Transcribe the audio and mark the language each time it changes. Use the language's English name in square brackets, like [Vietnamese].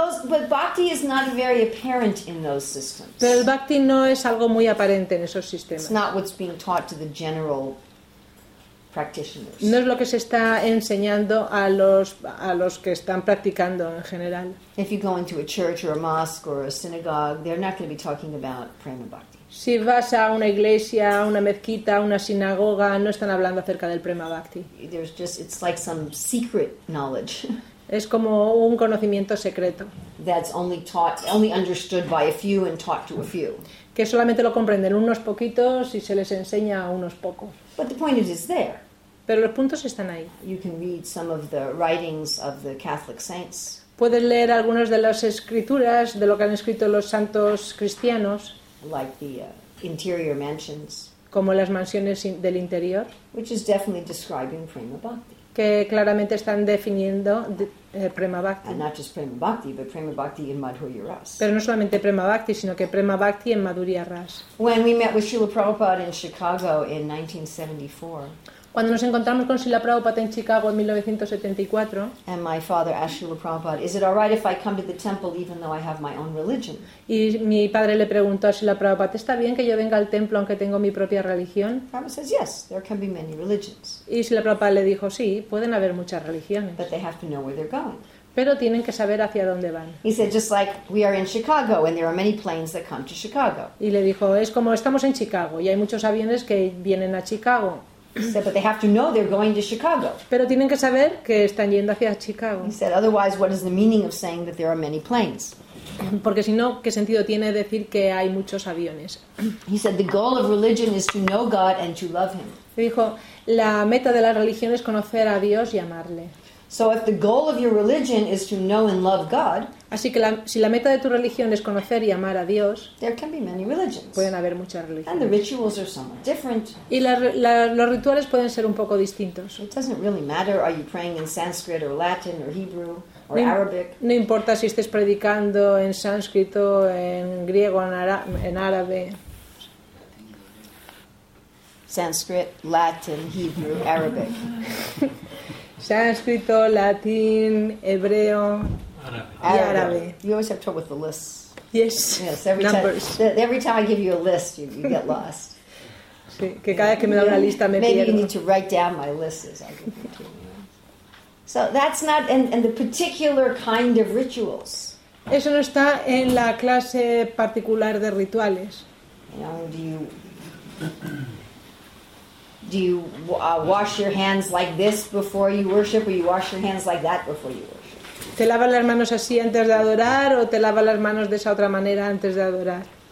[English] But bhakti is not very apparent in those systems. [Spanish] Pero el bhakti no es algo muy aparente en esos sistemas. [English] It's not what's being taught to the general practitioners. [Spanish] No es lo que se está enseñando a los que están practicando en general. [English] If you go into a church or a mosque or a synagogue, they're not going to be talking about prema bhakti. [Spanish] Si vas a una iglesia, a una mezquita, a una sinagoga, no están hablando acerca del prema bhakti. [English] It's like some secret knowledge. [Spanish] Es como un conocimiento secreto. [English] That's only taught, only understood by a few and taught to a few. [Spanish] Que solamente lo comprenden unos poquitos y se les enseña a unos pocos. [English] But the point is, it's there. [Spanish] Pero los puntos están ahí. [English] You can read some of the writings of the Catholic saints. [Spanish] Puedes leer algunas de las escrituras de lo que han escrito los santos cristianos. [English] Like the interior mansions, [Spanish] como las mansiones del interior, [English] which is definitely describing prema bhakti, [Spanish] que claramente están definiendo prema bhakti, [English] and not just prema bhakti, but prema bhakti in Madhurya Ras. [Spanish] Pero no solamente prema bhakti, sino que prema bhakti en Madhurya Ras. [English] When we met with Srila Prabhupada in Chicago in 1974. [Spanish] Cuando nos encontramos con Srila Prabhupada en Chicago en 1974, [English] and my father asked Srila Prabhupada, "Is it all right if I come to the temple even though I have my own religion?" [Spanish] Y mi padre le preguntó a Srila Prabhupada, "¿Está bien que yo venga al templo aunque tengo mi propia religión?" [English] Prabhupada says, "Yes, there can be many religions." [Spanish] Y Srila Prabhupada le dijo, "Sí, pueden haber muchas religiones." [English] But they have to know where they're going. [Spanish] Pero tienen que saber hacia dónde van. [English] He said, just like we are in Chicago and there are many planes that come to Chicago. [Spanish] Y le dijo, "Es como estamos en Chicago y hay muchos aviones que vienen a Chicago." [English] He said, but they have to know they're going to Chicago. [Spanish] Pero tienen que saber que están yendo hacia Chicago. [English] He said, otherwise, what is the meaning of saying that there are many planes? [Spanish] Porque si no, ¿qué sentido tiene decir que hay muchos aviones? [English] He said, the goal of religion is to know God and to love Him. [Spanish] Dijo, la meta de la religión es conocer a Dios y amarle. [English] So if the goal of your religion is to know and love God, [Spanish] así que si la meta de tu religión es conocer y amar a Dios, [English] there can be many religions. [Spanish] Pueden haber muchas religiones. [English] And the rituals are somewhat different. [Spanish] Y los rituales pueden ser un poco distintos. [English] It doesn't really matter are you praying in Sanskrit or Latin or Hebrew or Arabic. [Spanish] No importa si estés predicando en sánscrito, en griego, en árabe. [English] Sanskrit, Latin, Hebrew, Arabic. [Spanish] Sánscrito, latín, hebreo, árabe. Y árabe. [English] You always have trouble with the lists. Yes. Every numbers. Every time I give you a list, you get lost. [Spanish] Sí, que cada vez que me da una lista me pierdo. [English] Maybe you need to write down my lists. As I give you. So that's not in the particular kind of rituals. [Spanish] Eso no está en la clase particular de rituales. [English] You know, do you wash your hands like this before you worship, or you wash your hands like that before you worship? [Spanish] ¿Te lavas las manos así antes de adorar, o te lavas las manos de esa otra manera antes de adorar?